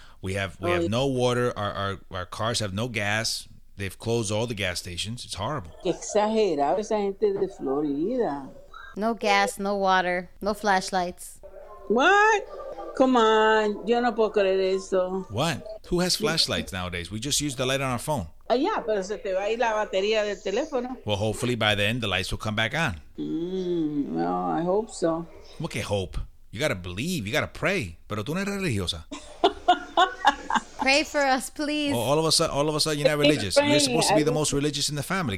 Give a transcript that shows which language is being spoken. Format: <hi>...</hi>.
<en>We have no water. Our cars have no gas. They've closed all the gas stations. It's horrible.</en> <es>Exagerado esa gente de Florida.</es> <en>No gas, no water, no flashlights. What? Come on.</en> <es>Yo no puedo creer eso.</es> <en>What? Who has flashlights nowadays? We just use the light on our phone.</en> <es>Yeah, pero se te va a ir la batería del teléfono.</es> <en>Well, hopefully by then the lights will come back on. Well, I hope so. What can hope? You got to believe. You got to pray.</en> <es>Pero tú no eres religiosa.</es> <en>Pray for us, please. Well, all of a sudden, you're not religious. You're supposed to be the most religious in the family.</en>